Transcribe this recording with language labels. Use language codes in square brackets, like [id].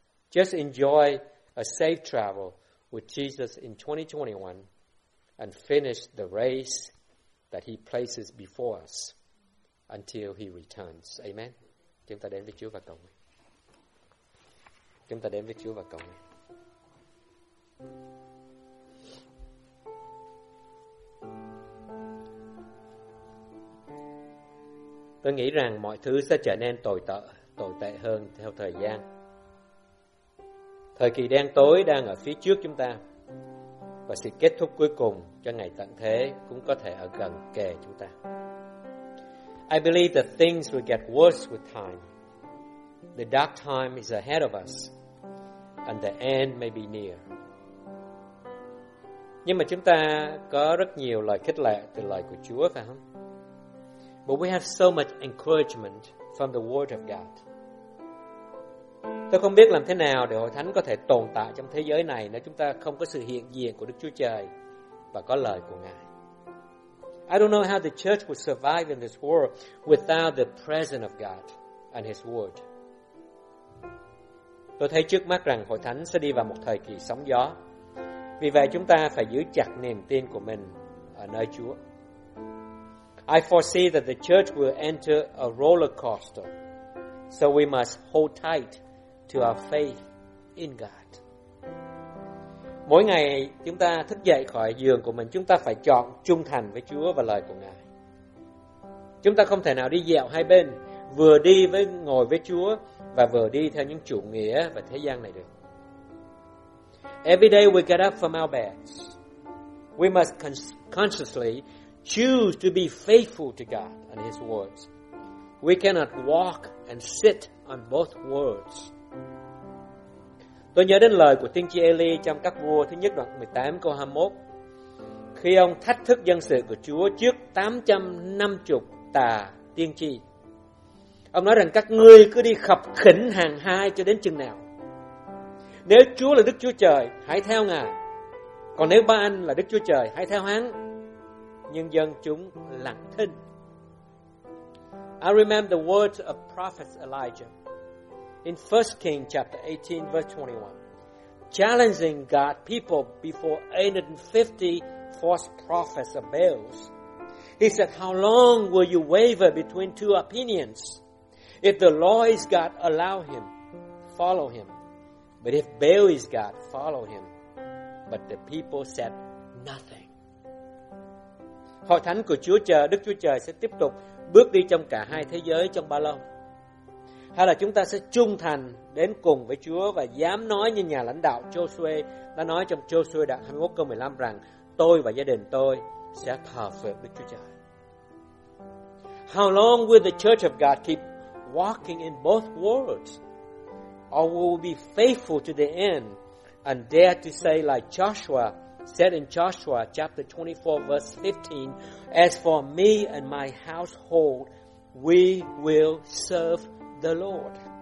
[en] Just enjoy a safe travel with Jesus in 2021 and finish the race that He places before us. Until He returns. Amen. [vi] Chúng ta đến với Chúa và cầu nguyện. Chúng ta đến với Chúa và cầu nguyện. Tôi nghĩ rằng mọi thứ sẽ trở nên tồi tệ hơn theo thời gian. Thời kỳ đen tối đang ở phía trước chúng ta. Và sự kết thúc cuối cùng cho ngày tận thế cũng có thể ở gần kề chúng ta. [en] I believe that things will get worse with time. The dark time is ahead of us, and the end may be near. [vi] Nhưng mà chúng ta có rất nhiều lời khích lệ từ lời của Chúa, phải không? [en] But we have so much encouragement from the Word of God. [vi] Tôi không biết làm thế nào để Hội Thánh có thể tồn tại trong thế giới này nếu chúng ta không có sự hiện diện của Đức Chúa Trời và có lời của Ngài. [en] I don't know how the church would survive in this world without the presence of God and His Word. [vi] Tôi thấy trước mắt rằng Hội Thánh sẽ đi vào một thời kỳ sóng gió. Vì vậy chúng ta phải giữ chặt niềm tin của mình ở nơi Chúa. [en] I foresee that the church will enter a roller coaster, so we must hold tight to our faith in God. [vi] Mỗi ngày chúng ta thức dậy khỏi giường của mình, chúng ta phải chọn trung thành với Chúa và lời của Ngài. Chúng ta không thể nào đi dẹo hai bên, vừa đi với ngồi với Chúa và vừa đi theo những chủ nghĩa và thế gian này được. [en] Every day we get up from our beds, we must consciously choose to be faithful to God and His words. We cannot walk and sit on both worlds. [vi] Tôi nhớ đến lời của tiên tri Eli trong các vua thứ nhất đoạn 18 câu 21. Khi ông thách thức dân sự của Chúa trước 850 tà tiên tri. Ông nói rằng các ngươi cứ đi khập khỉnh hàng hai cho đến chừng nào. Nếu Chúa là Đức Chúa Trời, hãy theo Ngài. Còn nếu ba anh là Đức Chúa Trời, hãy theo hắn. Nhưng dân chúng lặng thinh. [en] I remember the words of Prophet Elijah in 1 Kings chapter 18 verse 21, challenging God's people before 850 false prophets of Baals. He said, how long will you waver between two opinions? If the Lord is God, allow him, follow him. But if Baal is God, follow him. But the people said nothing. [vi] Hội thánh của Chúa Trời, Đức Chúa Trời sẽ tiếp tục bước đi trong cả hai thế giới trong bao lâu? Hay là chúng ta sẽ trung thành đến cùng với Chúa và dám nói như nhà lãnh đạo Joshua đã nói trong Joshua đoạn 21 câu 15 rằng tôi và gia đình tôi sẽ thờ phượng Đức Chúa Trời. [en] How long will the church of God keep walking in both worlds? Or will we be faithful to the end and dare to say like Joshua said in Joshua chapter 24 verse 15, as for me and my household, we will serve the Lord.